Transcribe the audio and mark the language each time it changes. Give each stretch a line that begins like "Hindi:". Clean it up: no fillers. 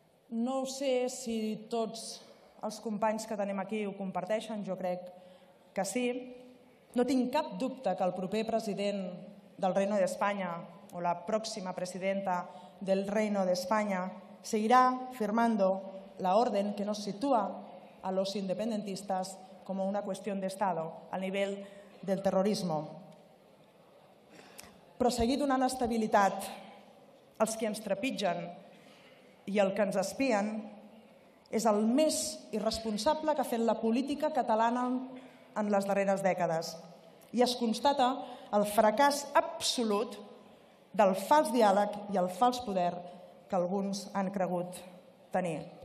Catalan: No sé si tots els companys que tenim aquí ho comparteixen, jo crec que sí. No tinc cap dubte que el proper president del
Spanish: Reino de España o la próxima presidenta del Reino de España seguirá firmando la orden que nos sitúa a los independentistas como una cuestión de Estado a nivel del terrorismo.
Catalan: Proseguir donant estabilitat als qui ens trepitgen i al que ens espien és el més irresponsable que ha fet la política catalana en les darreres dècades. I es constata el fracàs absolut del fals diàleg i el fals poder que alguns han cregut tenir.